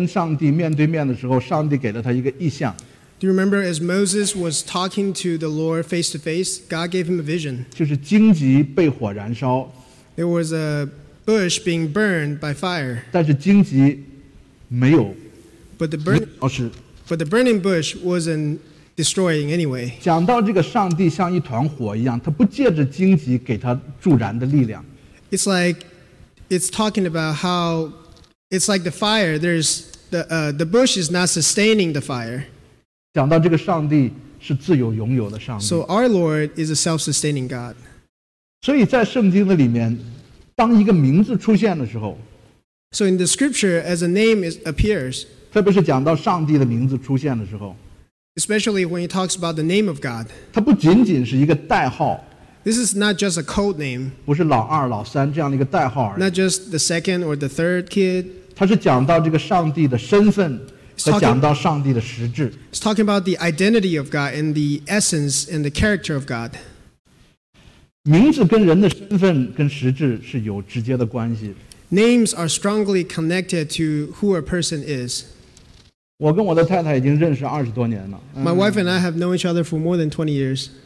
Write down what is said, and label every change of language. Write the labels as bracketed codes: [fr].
[zh] 记不记得在摩西跟上帝面对面的时候，上帝给了他一个异象？ [en] Do you remember as Moses was talking to the Lord face to face, God gave him a vision. [zh] 就是荆棘被火燃烧。 [en] There was a bush being burned by fire. [zh] 但是荆棘没有, [en] but the burning bush wasn't destroying anyway. [zh] 讲到这个上帝像一团火一样, 他不借着荆棘给他助燃的力量。 [en] It's like it's talking about how it's like the fire. There's the bush is not sustaining the fire. [zh] 讲到这个上帝是自有永有的上帝。 [en] So our Lord is a self-sustaining God. [zh] 所以在圣经的里面。当一个名字出现的时候， [en] So in the scripture, as a name appears, [zh] 特别是讲到上帝的名字出现的时候， [en] Especially when he talks about the name of God, [zh] 它不仅仅是一个代号， [en] This is not just a code name, [zh] 不是老二老三这样的一个代号而已， [en] Not just the second or the third kid, [zh] 它是讲到这个上帝的身份， [en] It's talking about the identity of God and the essence and the character of God. [zh] 名字跟人的身份跟实质是有直接的关系。 [en] Names are strongly connected to who a person is. [zh] 我跟我的太太已经认识二十多年了。 [en] My wife and I have known each other for more than 20 years.